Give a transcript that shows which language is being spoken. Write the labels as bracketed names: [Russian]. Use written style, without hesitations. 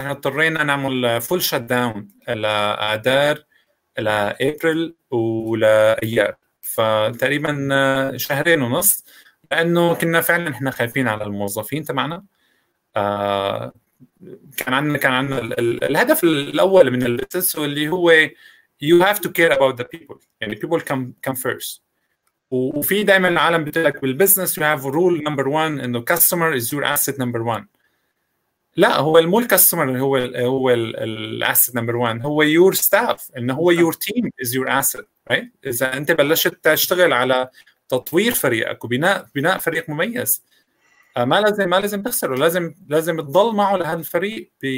[Arabic] احنا اضطرينا نعمل فول شت داون لأدار لأبريل ولأيار، فتقريبا شهرين ونص، لأنه كنا فعلا احنا خايفين على الموظفين تبعنا. كان عندنا الهدف الأول من البزنس اللي هو [English] you have to care about the people، [Arabic] يعني [English] people come first. [Arabic] وفي دائما العالم بتقول لك بالبزنس [English] you have rule number one [Arabic] انه [English] customer is your asset number one. [Arabic] لا، هو مو الكاستمر هو الاسيت نمبر 1، هو يور ستاف، انه هو [English] your team is your asset, [Arabic] رايت؟ اذا انت بلشت تشتغل على تطوير فريقك وبناء فريق مميز، ما لازم تخسره، لازم تضل معه لهذا الفريق